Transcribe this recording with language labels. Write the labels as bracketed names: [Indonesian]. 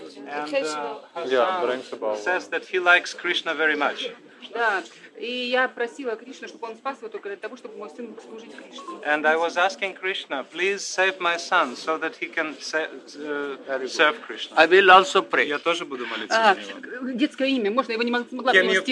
[English] And her son says that he likes Krishna very much. [Russian] Да, и я просила Кришну, чтобы он спас его только для того, чтобы мой сын мог служить Кришне. [English] And I was asking Krishna, please save my son, so that he can serve Krishna. I will also pray. [Russian] Я тоже буду молиться за него. Детское имя, можно, я его не могла перевести.